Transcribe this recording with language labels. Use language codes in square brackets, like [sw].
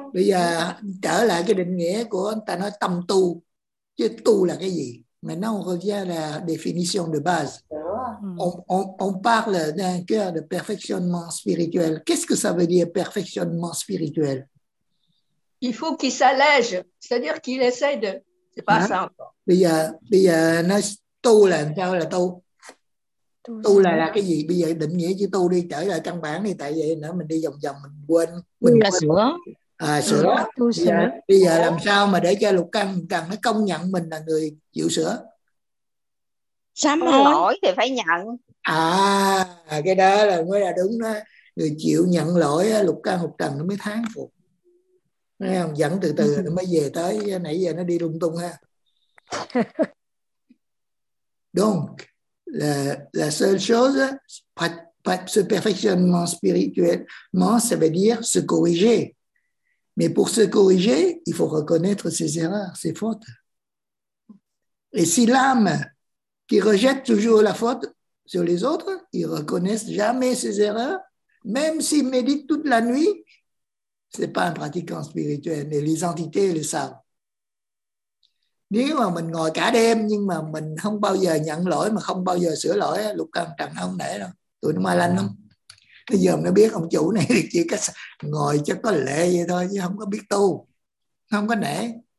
[vi] Bây giờ trở lại cái định nghĩa của anh ta nói tâm tu, chứ tu là cái gì? [fr] Maintenant, on revient à la définition de base. On parle d'un cœur de perfectionnement spirituel. Qu'est-ce que ça veut dire, perfectionnement spirituel? Il faut qu'il s'allège. C'est-à-dire qu'il essaie de... C'est pas ça. [vi] Bây giờ, nói tu là sao là tu? Tu là cái gì? Bây giờ định nghĩa chữ tu đi, trở lại căn bản đi. Tại vậy nữa, mình đi vòng vòng, mình quên. Mình là sửa. À, sửa. Bây giờ làm sao mà để cho lục căn cần nó công nhận mình là người chịu sửa? Sám hối lỗi thì phải nhận. À, cái đó là mới là đúng đó. Người chịu nhận lỗi lục căn lục trần nó mới thán phục. Thấy không? Dẫn từ từ nó mới về tới. Nãy giờ nó đi lung tung ha. [fr] Donc, la seule chose, ce perfectionnement spirituellement, ça veut dire se corriger. Mais pour se corriger, il faut reconnaître ses erreurs, ses fautes. Et si l'âme qui rejette toujours la faute sur les autres, ils reconnaissent jamais ses erreurs, même s'ils méditent toute la nuit, ce n'est pas un pratiquant spirituel, mais les entités le savent. [vi] Nếu mà mình ngồi cả đêm nhưng mà mình không bao giờ nhận lỗi mà không bao giờ sửa lỗi, lục căn trần không để đâu. Tụi nó ma lanh lắm. Bây giờ nó biết ông chủ này chỉ có ngồi chắc có lệ vậy thôi chứ không có biết tu. Không có nể.